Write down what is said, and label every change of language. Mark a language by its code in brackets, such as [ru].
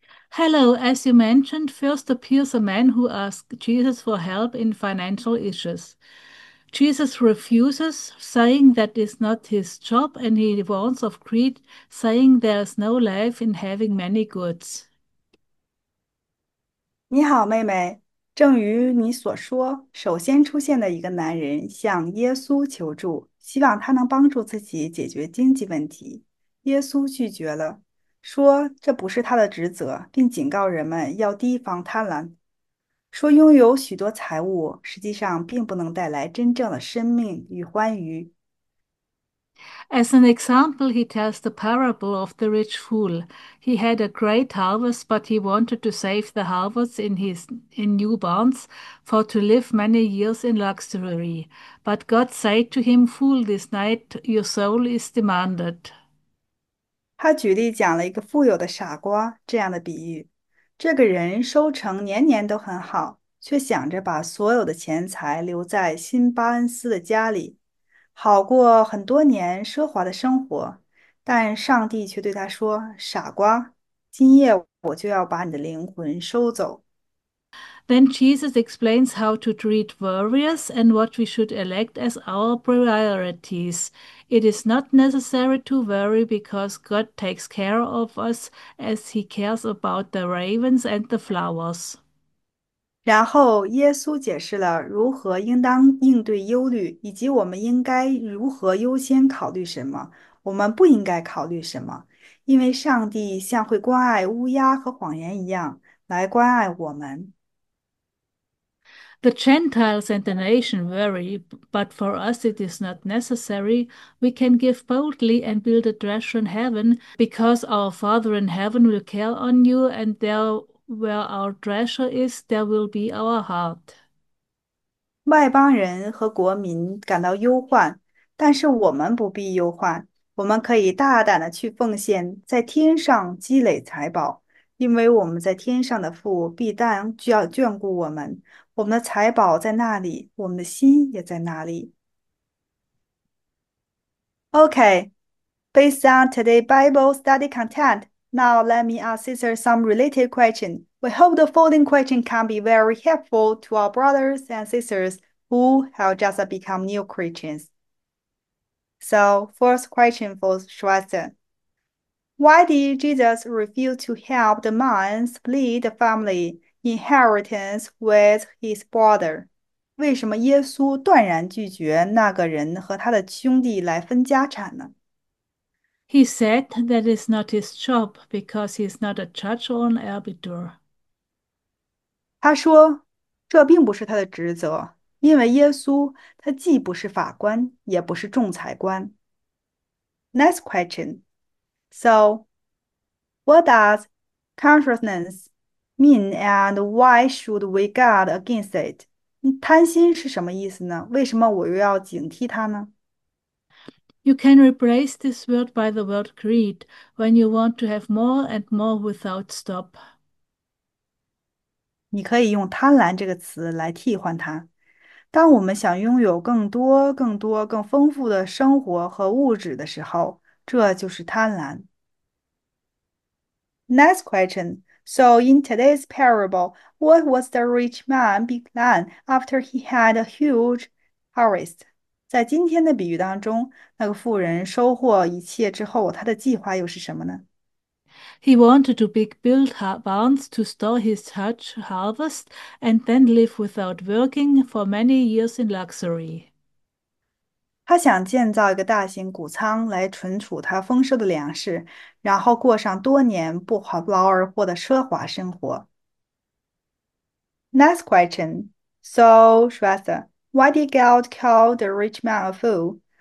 [en] Hello, as you mentioned, first appears a man who asks Jesus for help in financial issues. Jesus refuses, saying that is not his job, and he warns of greed, saying there is no life in having many goods. [zh] 你好，妹妹。正如你所说，首先出现的一个男人向耶稣求助，希望他能帮助自己解决经济问题。耶稣拒绝了，说这不是他的职责，并警告人们要提防贪婪。说拥有许多财物实际上并不能带来真正的生命与欢愉。 [en] As an example, he tells the parable of the rich fool. He had a great harvest, but he wanted to save the harvest in new barns for to live many years in luxury. But God said to him, "Fool, this night your soul is demanded." [zh] 他举例讲了一个富有的傻瓜这样的比喻：这个人收成年年都很好，却想着把所有的钱财留在辛巴恩斯的家里，好过很多年奢华的生活。但上帝却对他说：“傻瓜，今夜我就要把你的灵魂收走。” [en] Then Jesus explains how to treat worries and what we should elect as our priorities. It is not necessary to worry because God takes care of us as he cares about the ravens and the flowers. [zh] 然后，耶稣解释了如何应当应对忧虑，以及我们应该如何优先考虑什么，我们不应该考虑什么，因为上帝像会关爱乌鸦和谎言一样来关爱我们。 [en] The Gentiles and the nation worry, but for us it is not necessary. We can give boldly and build a treasure in heaven, because our Father in heaven will care on you, and there where our treasure is, there will be our heart. [zh] 外邦人和国民感到忧患，但是我们不必忧患。我们可以大胆地去奉献，在天上积累财宝，因为我们在天上的父必当就要眷顾我们。我们的财宝在那里，我们的心也在那里。 [en] OK, based on today's Bible study content, now let me ask sister some related question. We hope the following question can be very helpful to our brothers and sisters who have just become new Christians. So, first question for Shwestern. Why did Jesus refuse to help the man split the family inheritance with his brother? [zh] 为什么耶稣断然拒绝那个人和他的兄弟来分家产呢？ [en] He said that is not his job because he is not a judge or an arbiter. [zh] 他说：“这并不是他的职责，因为耶稣他既不是法官，也不是仲裁官。 [en] ”Next question. So, what does covetousness mean, and why should we guard against it？ [zh] 贪心是什么意思呢？为什么我又要警惕它呢？ [en] You can replace this word by the word greed when you want to have more and more without stop. [zh] 你可以用贪婪这个词来替换它。当我们想拥有更多、更多、更丰富的生活和物质的时候，这就是贪婪。 [en] Next question. So in today's parable, what was the rich man big plan after he had a huge harvest? [zh] 在今天的比喻当中，那个富人收获一切之后，他的计划又是什么呢？ [en] He wanted to build barns to store his huge harvest and then live without working for many years in luxury. [zh] 他想建造一个大型谷仓来存储他丰收的粮食，然后过上多年不劳而获的奢华生活。 [en] Next question. So, Shrestha, why did God call the rich man a fool?